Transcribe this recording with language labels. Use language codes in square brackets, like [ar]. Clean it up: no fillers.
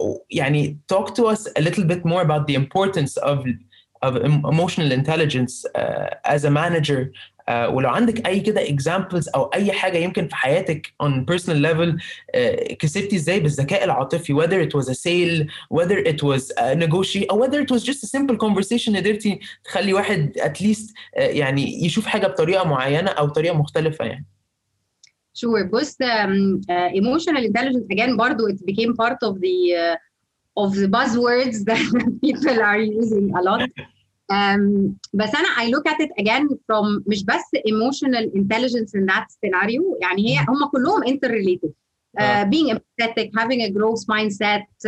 [en] يعني talk to us a little bit more about the importance of emotional intelligence as a manager. [ar] ولو عندك أي كده examples أو أي حاجة يمكن في حياتك [en] on personal level [ar] كسبتي إزاي بالذكاء العاطفي, [en] whether it was a sale, whether it was a negotiation, or whether it was just a simple conversation, [ar] قدرتي تخلي واحد [en] at least [ar] يعني يشوف حاجة بطريقة معينة أو طريقة مختلفة يعني. [en] Sure. بس emotional intelligence again برضو it became part of the buzzwords that people are using a lot. بس أنا I look at it again from [ar] مش بس [en] emotional intelligence in that scenario. [ar] يعني هي هم كلهم [en] interrelated. Being empathetic, having a growth mindset,